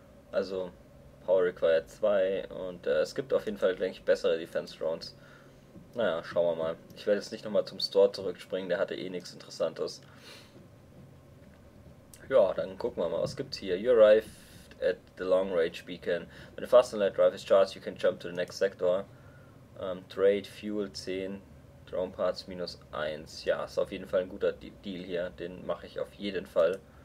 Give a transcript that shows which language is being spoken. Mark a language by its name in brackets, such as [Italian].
[German] Also Power Required 2. Und es gibt auf jeden Fall, denke ich, bessere Defense Drones. Naja, schauen wir mal. Ich werde jetzt nicht nochmal zum Store zurückspringen. Der hatte eh nichts Interessantes. Ja, dann gucken wir mal, was gibt's hier. [English] You arrived at the long range beacon. When the fast and light drive is charged, you can jump to the next sector. Trade fuel 10, drone parts minus 1. [German] Ja, ist auf jeden Fall ein guter Deal hier. Den mache ich auf jeden Fall.